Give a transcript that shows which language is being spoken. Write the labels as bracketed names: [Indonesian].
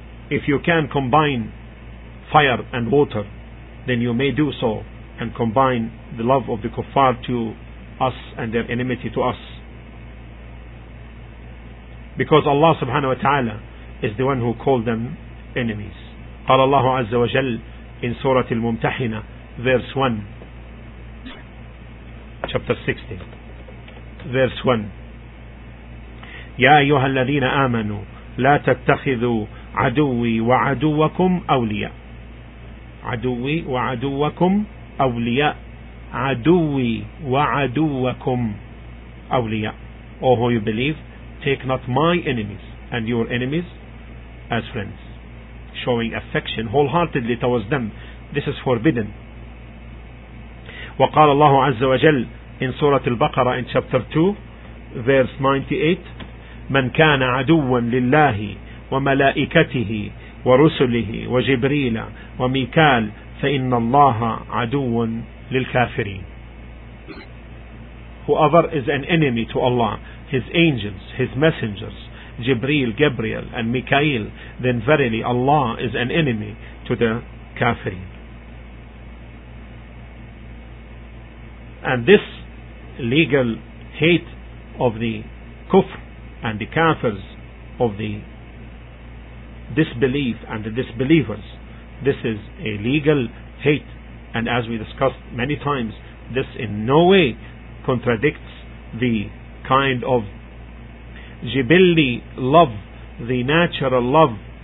[English] If you can combine fire and water, then you may do so and combine the love of the kuffar to us and their enmity to us. Because Allah subhanahu wa ta'ala is the one who called them enemies. [Arabic] قال الله عز وجل [English] in Surah Al-Mumtahina, verse 1, [Arabic] chapter 60, verse 1, يا أيها الذين آمنوا لا تتخذوا عدوي وعدوكم أولياء. عدوي وعدوكم أولياء. عدوي وعدوكم أولياء. [English] O who you believe, take not my enemies and your enemies as friends. Showing affection wholeheartedly towards them, this is forbidden. [Arabic] وقال الله عز وجل [English] in Surah Al-Baqarah in chapter 2 verse 98, [Arabic] من كان عدوا لله وملائكته ورسله وجبريل وميكال فإن الله عدو للكافرين. [English] Whoever is an enemy to Allah, His angels, His messengers, Jibreel, Gabriel and Mikael, then verily Allah is an enemy to the kafirin. And this legal hate of the kufr and the kafirs, of the disbelief and the disbelievers, this is a legal hate, and as we discussed many times, this in no way contradicts the kind of jibilli love, the natural love